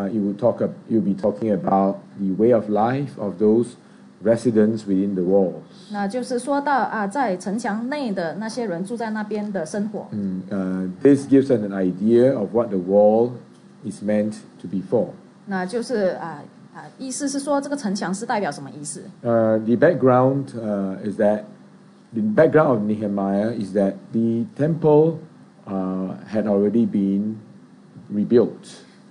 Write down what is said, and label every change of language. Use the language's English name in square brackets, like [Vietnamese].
[English] You'll be talking about the way of life of those residents within the walls. [Chinese] 那就是说到在城墙内的那些人住在那边的生活。 [English] This gives us an idea of what the wall is meant to be for. [Chinese] 那就是意思是说这个城墙是代表什么意思。 [English] The background of Nehemiah is that the temple had already been rebuilt.